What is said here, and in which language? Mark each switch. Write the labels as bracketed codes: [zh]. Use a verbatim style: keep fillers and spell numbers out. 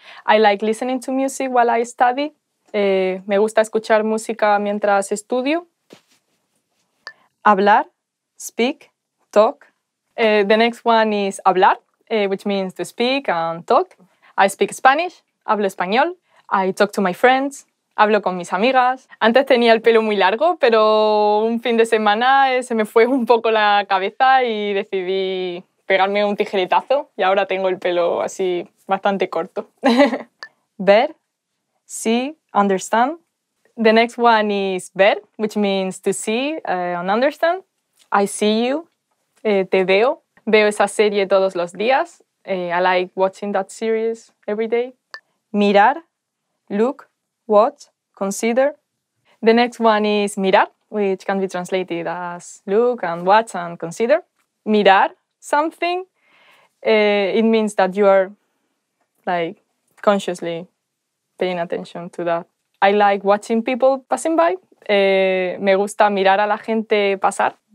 [en] I like listening to music while I study. Eh, [es] me gusta escuchar música mientras estudio. [en] Hablar, speak, talk. Eh, the next one is hablar, eh, which means to speak and talk. I speak Spanish, [es] hablo español. [en] I talk to my friends, [es] hablo con mis amigas. Antes tenía el pelo muy largo, pero un fin de semana eh, se me fue un poco la cabeza y decidí pegarme un tijeretazo y ahora tengo el pelo así bastante corto. [en] Ver, see, understand. The next one is ver, which means to see uh, and understand. I see you, [es] eh, te veo. Veo esa serie todos los días. [en] Eh, I like watching that series every day. Mirar, look, watch, consider. The next one is mirar, which can be translated as look and watch and consider. Mirar something, eh, it means that you are like consciously paying attention to that. I like watching people passing by. [es] Eh, me gusta mirar a la gente pasar.